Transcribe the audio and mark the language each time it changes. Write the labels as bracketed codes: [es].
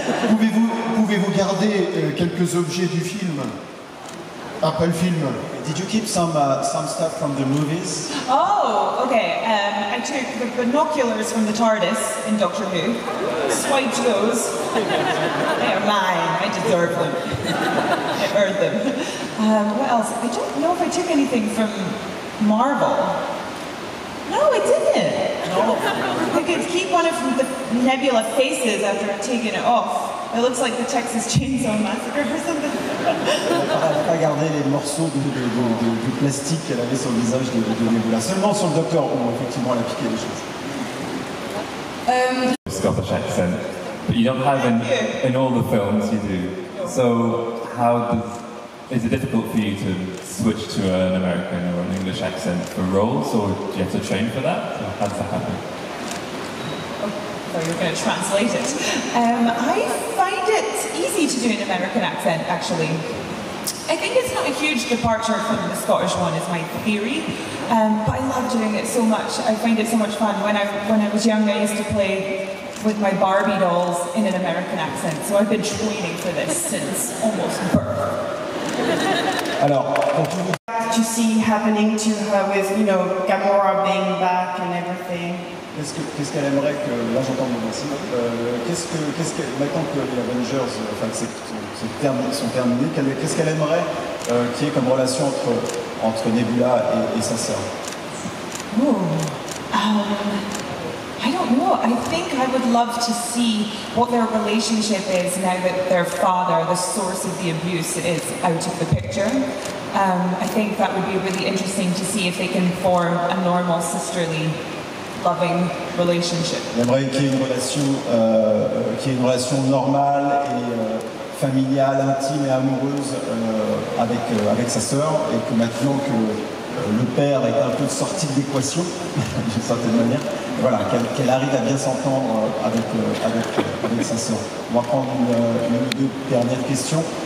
[fr] Pouvez-vous garder quelques objets du film après le film? [en] Did you keep some stuff from the movies? Oh, okay. I took the binoculars from the TARDIS in Doctor Who. Swiped those. They are mine. I deserve them. I earned them. What else? I don't know if I took anything from Marvel. No, I didn't. No. I could keep one of the Nebula faces after taking it off. It looks like the Texas Chainsaw Massacre or something. [fr] Pas garder les morceaux de plastique qu'elle avait sur le visage de Nebula. Seulement sur le docteur où effectivement elle a piqué les choses. [en] Scottish accent, but you don't have in all the films you do. So how does is it difficult for you to switch to an American or an English accent for roles, or do you have to train for that? So how does that happen? Oh, you're going to translate it. I find it easy to do an American accent, actually. I think it's not a huge departure from the Scottish one, is my theory. But I love doing it so much. I find it so much fun. When I was young, I used to play with my Barbie dolls in an American accent. So I've been training for this since almost birth. [fr] Alors, [en] to see happening to her with, you know, Gamora being back and everything. [fr] Qu'est-ce qu'elle aimerait que, là j'entends mon voisin, qu'est-ce que maintenant que les Avengers, enfin sont terminés, qu'est-ce qu'elle aimerait qu'il y ait comme relation entre Nebula et sa sœur? [en] I don't know. I think I would love to see what their relationship is now that their father, the source of the abuse, is out of the picture. I think that would be really interesting to see if they can form a normal sisterly, loving relationship. [fr] J'aimerais qu'il y ait une relation normale et familiale, intime et amoureuse avec sa sœur, et que maintenant que le père est un peu sorti de l'équation, d'une certaine manière. Voilà, qu'elle arrive à bien s'entendre avec sa sœur. On va prendre une ou deux dernières questions.